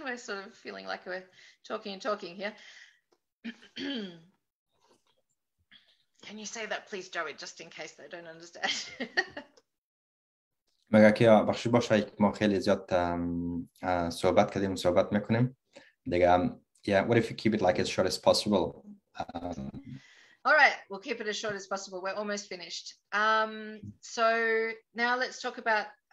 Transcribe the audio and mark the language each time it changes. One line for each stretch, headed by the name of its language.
English: We're sort of feeling like we're talking and talking here. Can you say that please, Joey, just in case they don't understand?
Persian: مگه که بخشی باشه که ما خیلی زیاد صحبت کردیم و صحبت میکنیم. دیگه
English: yeah, what if you keep it like as short as possible? All right, we'll keep it as short as possible. We're almost finished. So now let's talk about